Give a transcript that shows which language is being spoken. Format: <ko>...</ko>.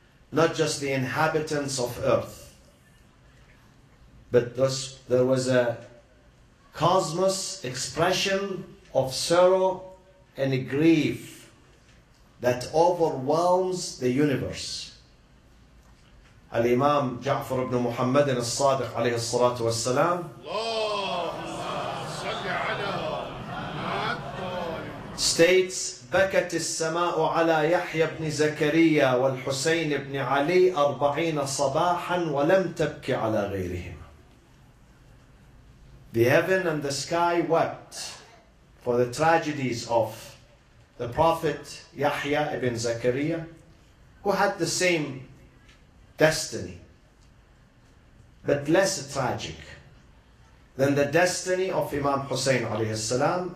<en>Not just the inhabitants of Earth. But there was a cosmos expression of sorrow and grief that overwhelms the universe.</en> <ar>Al-Imam Ja'far ibn Muhammad al-Sadiq alayhi salatu wa salam states, بكت السماء على يحيى بن زكريا والحسين بن علي 40 صباحا ولم تبكي على غيرهما.</ar> <en>The heaven and the sky wept for the tragedies of the Prophet Yahya ibn Zakariya, who had the same destiny, but less tragic than the destiny of Imam Hussein alayhi salam.</en>